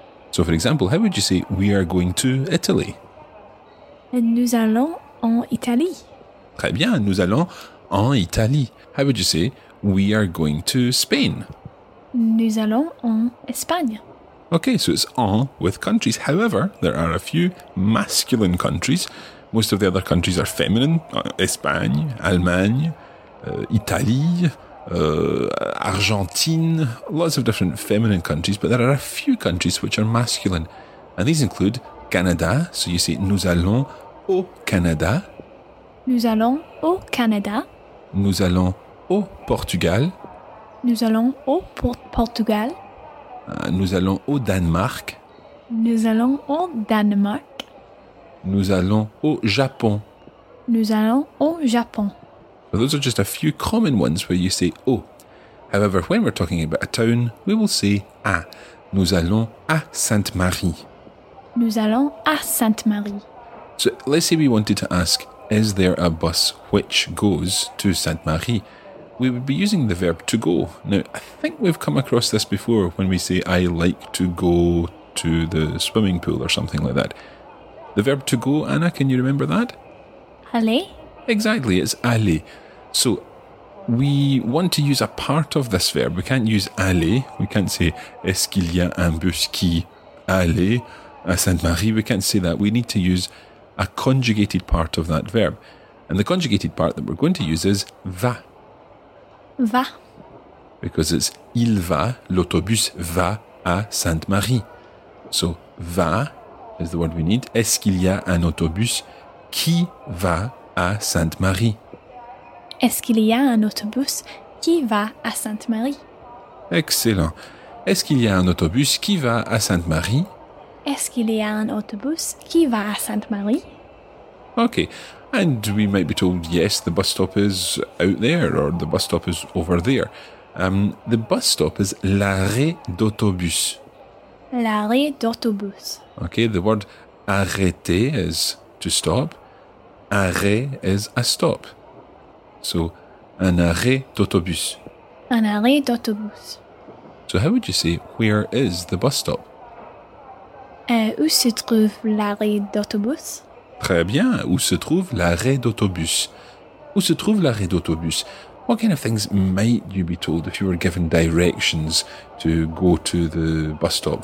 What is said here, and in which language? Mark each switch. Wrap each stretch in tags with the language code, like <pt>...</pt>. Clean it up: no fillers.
<en>So for example, how would you say we are going to Italy?</en> <fr>Nous allons en Italie. Très bien, nous allons en Italie.</fr> <en>How would you say we are going to Spain?</en> <fr>Nous allons en Espagne.</fr> <en>Okay, so it's en with countries. However, there are a few masculine countries. Most of the other countries are feminine. Espagne, Allemagne, Italie, Argentine, lots of different feminine countries, but there are a few countries which are masculine. And these include Canada, so you say</en> <fr>nous allons au Canada. Nous allons au Canada. Nous allons au Portugal. Nous allons au Portugal. Nous allons au Danemark. Nous allons au Danemark. Nous allons au Japon. Nous allons au Japon.</fr> <en>Well, those are just a few common ones where you say au. However, when we're talking about a town, we will say à.</en> <fr>Nous allons à Sainte-Marie. Nous allons à Sainte-Marie.</fr> <en>So let's say we wanted to ask, is there a bus which goes to Sainte-Marie? We would be using the verb to go. Now, I think we've come across this before when we say I like to go to the swimming pool or something like that. The verb to go, Anna, can you remember that?</en> <fr>Allez.</fr> <en>Exactly, it's aller. So we want to use a part of this verb. We can't use aller. We can't say,</en> <fr>est-ce qu'il y a un bus qui aller à Sainte-Marie?</fr> <en>We can't say that. We need to use a conjugated part of that verb. And the conjugated part that we're going to use is va.</en> <fr>Va.</fr> <en>Because it's</en> <fr>il va, l'autobus va à Sainte-Marie.</fr> <en>So va is the word we need.</en> <fr>Est-ce qu'il y a un autobus qui va à Sainte-Marie. Est-ce qu'il y a un autobus qui va à Sainte-Marie? Excellent. Est-ce qu'il y a un autobus qui va à Sainte-Marie? Est-ce qu'il y a un autobus qui va à Sainte-Marie?</fr> <en>Okay. And we might be told, yes, the bus stop is out there or the bus stop is over there. The bus stop is</en> <fr>l'arrêt d'autobus. L'arrêt d'autobus.</fr> <en>Okay, the word arrêter is to stop. Arrêt is a stop. So,</en> <fr>un arrêt d'autobus. Un arrêt d'autobus.</fr> <en>So how would you say, where is the bus stop?</en> <fr>Où se trouve l'arrêt d'autobus? Très bien, où se trouve l'arrêt d'autobus? Où se trouve l'arrêt d'autobus?</fr> <en>What kind of things might you be told if you were given directions to go to the bus stop?</en>